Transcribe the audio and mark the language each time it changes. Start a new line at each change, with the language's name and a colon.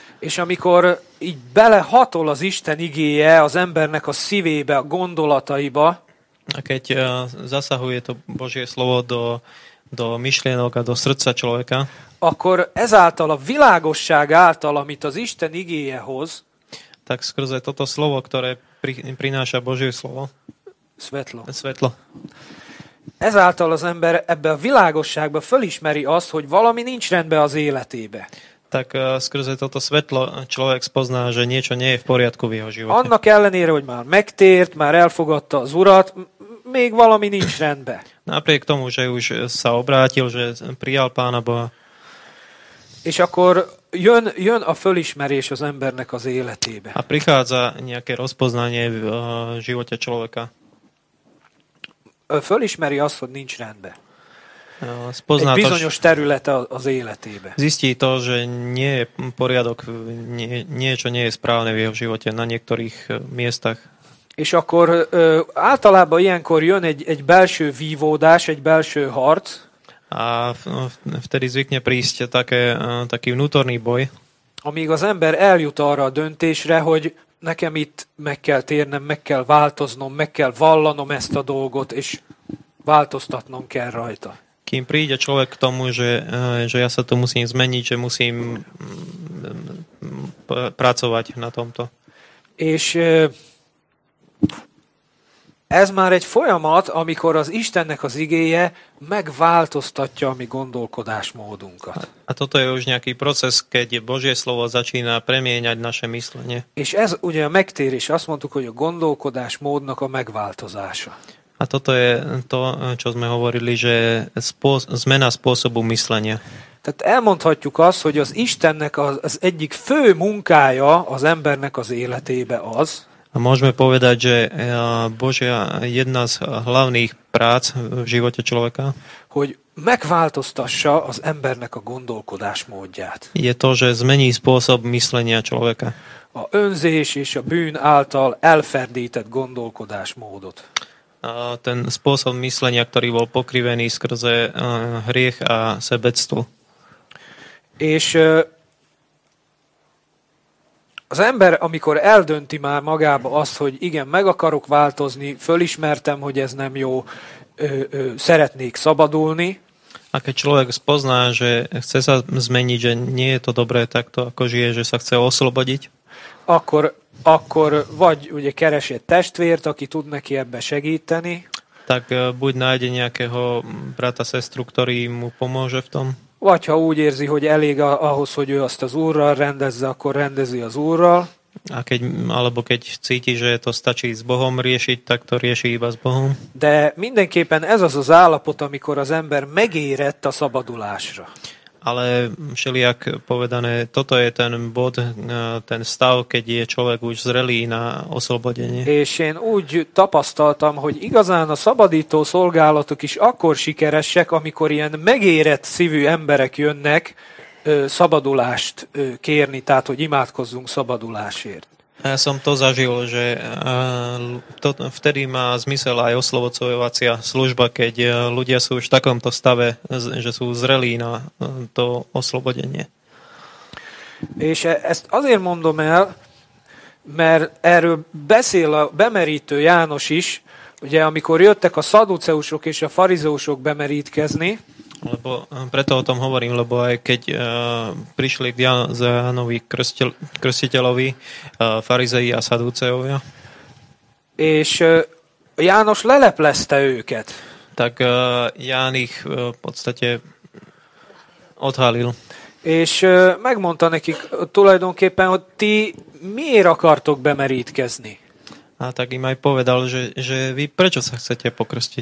Hungarian: És amikor így belehatol az Isten igéje az embernek a szívébe, a gondolataiba,
Slovak: a keď zasahuje to Božie slovo do myšlienok a do srdca človeka,
Hungarian: akkor ezáltal a világosság által, amit az Isten igéje hoz,
Slovak: tak skrze toto slovo, ktoré prináša Božie slovo, svetlo.
Hungarian: Ezáltal az ember ebbe a világosságba fölismeri azt, hogy valami nincs rendben az életébe.
Slovak: Tak skrze toto svetlo človek spozná, že niečo nie je v poriadku v jeho živote.
Hungarian: Annak ellenére, hogy már megtért, már elfogadta az urat, még valami nincs rendben.
Slovak: Napriek tomu, že už sa obrátil, že prijal Pána Boha.
Hungarian: És akkor jön a fölismerés az embernek az életébe.
Slovak: A prichádza nejaké rozpoznanie v živote človeka.
Hungarian: Fölismeri azt, hogy nincs rendben.
Slovak: Spozná
Hungarian: egy bizonyos területe az életébe.
Slovak: Zistí to, že nie je poriadok, niečo nie je správne v jeho živote na niektorých miestach.
Hungarian: És akkor általában ilyenkor jön egy belső vívódás, egy belső harc.
Slovak: A vtedy zvykne prísť taký vnútorný boj.
Hungarian: Amíg az ember eljut arra a döntésre, hogy nekem itt meg kell térnem, meg kell változnom, meg kell vallanom ezt a dolgot, és változtatnom kell rajta.
Slovak: Kým príde človek k tomu, že ja sa to musím zmeniť, že musím pracovať na tomto.
Hungarian: És ez már egy folyamat, amikor az Istennek az igéje megváltoztatja a mi gondolkodásmódunkat.
Slovak: A toto je už nejaký proces, keď Božie slovo začína premieňať naše myslenie.
Hungarian: És ez ugye a megtérés, azt mondtuk, hogy a gondolkodásmódnak a megváltozása.
Slovak: A toto je to, čo sme hovorili, že zmena spôsobu myslenia.
Hungarian: Tehát elmondhatjuk azt, hogy az Istennek az egyik fő munkája az embernek az életébe az.
Slovak: A môžeme povedať, že Božia jedna z hlavných prác v živote človeka,
Hungarian: hogy megváltoztassa az embernek a gondolkodás módját.
Slovak: Je to, že zmení spôsob myslenia človeka.
Hungarian: A önzés és a bűn által elferdített gondolkodás módot.
Slovak: Ten spôsob myslenia, ktorý bol pokrivený skrze hriech a sebectvo.
Hungarian: És az ember, amikor eldönti már magába azt, hogy igen, meg akarok változni, fölismertem, hogy ez nem jó, szeretnék szabadulni.
Slovak: A keď človek spozná, že chce sa zmeniť, že nie je to dobré takto, ako žije, že sa chce oslobodiť.
Hungarian: Akkor vagy ugye keres egy testvért, aki tud neki ebbe segíteni.
Slovak: Tak buď nájde nejakého brata, sestru, ktorý mu pomôže v tom.
Hungarian: Vagy ha úgy érzi, hogy elég ahhoz, hogy ő azt az Úrral rendezze, akkor rendezi az Úrral.
Slovak: A keď, alebo keď cíti, že to stačí s Bohom riešiť, tak to rieši iba s Bohom.
Hungarian: De mindenképpen ez az az állapot, amikor az ember megérett a szabadulásra.
Slovak: Ale všelijak povedané, toto je ten bod, ten stav, keď je človek už zrelý na oslobodenie.
Hungarian: És én úgy tapasztaltam, hogy igazán a szabadító szolgálatok is akkor sikeresek, amikor ilyen megérett szívű emberek jönnek szabadulást kérni, tehát hogy imádkozzunk szabadulásért.
Slovak: Ja som to zažil, že to, vtedy má zmysel aj oslobodzovacia služba, keď ľudia sú už v takomto stave, že sú zrelí na to oslobodenie.
Hungarian: És ezt azért mondom el, mert erről beszél a bemerítő János is, ugye amikor jöttek a szaduceusok és a farizeusok bemerítkezni.
Slovak: Lebo preto o tom hovorím, lebo aj keď prišli k Jánovi krstiteľovi farizei a saduceovia.
Hungarian: És János lelepleste őket.
Slovak: Tak Ján ich v podstate odhalil.
Hungarian: És megmondta nekik tulajdonképpen, hogy ti miért akartok bemerítkezni.
Slovak: A tak im aj povedal, že vy prečo sa chcete pokrstiť?